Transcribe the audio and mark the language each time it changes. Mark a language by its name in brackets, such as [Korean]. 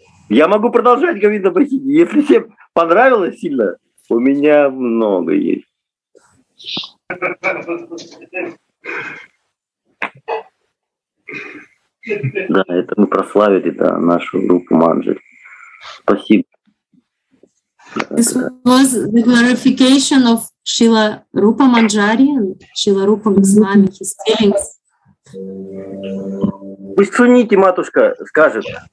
[Russian] Я могу продолжать, Говинда Бахини. Если всем понравилось сильно, у меня много есть. Да, это мы прославили, да, нашу группу Манджи. Спасибо. [English] This was the glorification of Srila Rupa Manjari and Srila Rupa Goswami, his feelings. [Russian] Пусть Суннити, матушка, скажет.